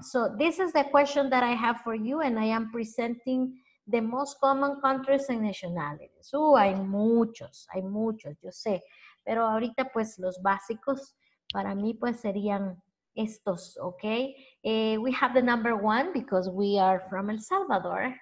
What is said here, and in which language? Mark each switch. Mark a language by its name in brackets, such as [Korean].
[English] So this is the question that I have for you, and I am presenting the most common countries and nationalities. [Spanish] Hay muchos, yo sé. Pero ahorita, pues, los básicos, para mí, pues, serían estos, okay? [English] We have the number one because we are from El Salvador.